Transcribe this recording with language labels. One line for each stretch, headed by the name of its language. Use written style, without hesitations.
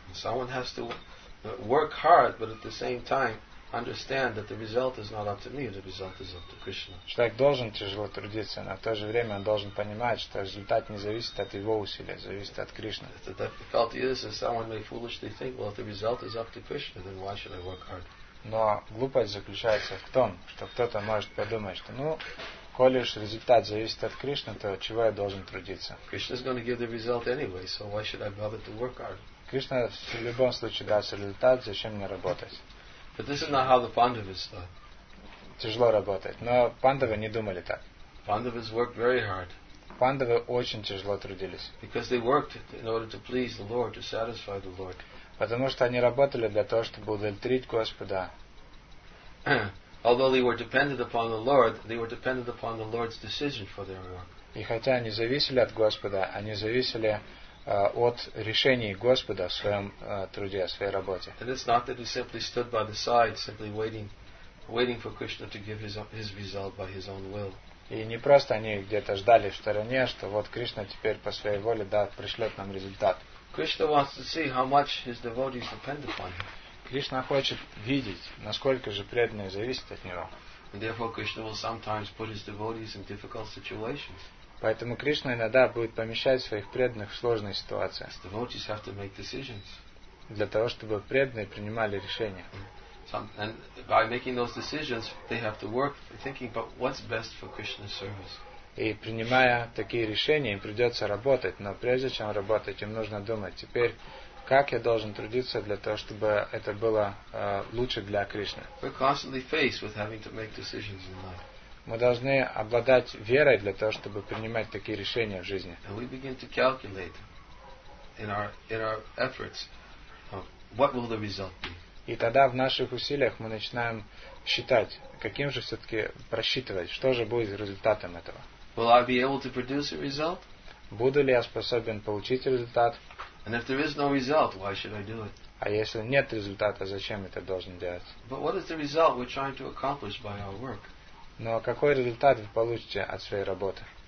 English: Someone has to work hard, but at the same time understand that the result is not up to me, the result is up to Krishna.
Russian: Человек должен тяжело трудиться, но в то же время он должен понимать, что результат не зависит от его усилия, зависит от Кришны.
English: The difficulty is that someone may foolishly think, well, if the result is up to Krishna, then why should I work hard?
Russian: Но глупость заключается в том, что кто-то может подумать, что, ну, коли уж результат зависит от Кришны, то чего я должен трудиться?
English: Krishna is going to give the result anyway, so why should I bother to work hard?
Russian: Кришна в любом случае даст результат, зачем мне работать?
English: But this is not how the Pandavas thought.
Russian: Тяжело работать, но пандавы не думали так.
English: Pandavas worked very hard.
Russian: Пандавы очень тяжело трудились.
English: Because they worked in order to please the Lord, to satisfy the Lord.
Russian: Потому что они работали для того, чтобы удовлетворить Господа.
English: Although they were dependent upon the Lord, they were dependent upon the Lord's decision for their work.
Russian: И хотя они зависели от Господа, они зависели от решений Господа в своем труде, в своей работе.
English: And it's not that he simply stood by the side, simply waiting for Krishna to give his result by his own will.
Russian: И не просто они где-то ждали в стороне, что вот Кришна теперь по своей воле даст, пришлет нам результат.
English: Krishna wants to see how much his devotees depend upon him.
Russian: Кришна хочет видеть, насколько же преданные зависят от него.
English: And therefore Krishna will sometimes put his devotees in difficult situations.
Russian: Поэтому Кришна иногда будет помещать своих преданных в сложные ситуации.
English: Devotees have to make decisions.
Russian: Для того, чтобы преданные принимали решения.
English: And by making those decisions, they have to work thinking about what's best for Krishna's service.
Russian: И принимая такие решения, им придется работать. Но прежде чем работать, им нужно думать, теперь как я должен трудиться для того, чтобы это было лучше для Кришны.
English: We're constantly faced with having to make decisions in life.
Russian: Мы должны обладать верой для того, чтобы принимать такие решения в жизни.
English: And we begin to calculate in our efforts what will the result be.
Russian: И тогда в наших усилиях мы начинаем считать, каким же все-таки просчитывать, что же будет результатом этого.
English: Will I be able to produce a result?
Russian: Буду ли я способен получить результат?
English: And if there is no result, why should I do it?
Russian: А если нет результата, зачем это должен делать?
English: But what is the result we're trying to accomplish by our work?
Russian: Но какой результат вы получите от своей работы?